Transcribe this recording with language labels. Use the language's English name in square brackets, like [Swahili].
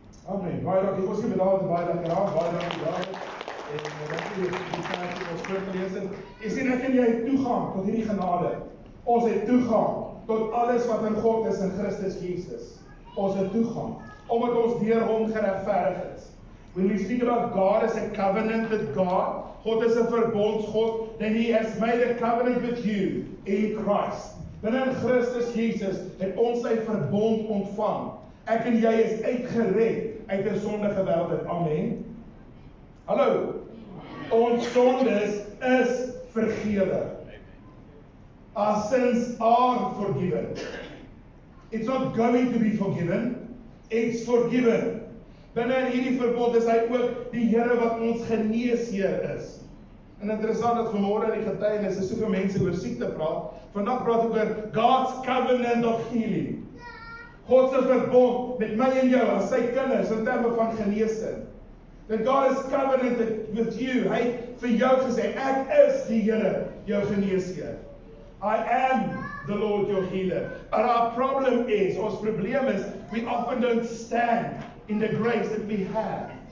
[Afrikaans] Amen, baie dankie, ons gebed daar, baie dankie, ja, baie dankie, ja, en dankie, die vers die ons kort gelees het, is nie net en jy toegang tot hierdie genade, ons het toegang tot alles wat in God is in Christus Jesus. ons het toegang, omdat ons deur hom geregverdig is. [English] When we speak about God as a covenant with God, God is a verbondsgod, then he has made a covenant with you in Christ. Then in [Afrikaans] Christus Jesus het ons sy verbond ontvang. Ek en jy is uitgered uit 'n sondige wêreld. Amen. Hallo. Ons sondes is vergewe. [English] Our sins are forgiven. It's not going to be forgiven. It's forgiven. [Afrikaans] Binne in hierdie verbond is hy ook die Here wat ons geneesheer is. En interessant dat vanmôre in die getuienis is soveel mense oor siekte praat. Vandag praat ek oor [English] God's covenant of healing. [Afrikaans] God se verbond met my en jou as sy kinders in terme van genesing. [English] That God is covenanted with you. [Afrikaans] Hy het vir jou gesê, ek is die Here, jou geneesheer. [English] I am the Lord your healer. But our problem is, [Afrikaans] ons probleem is, [English] we often don't stand in the grace that we have.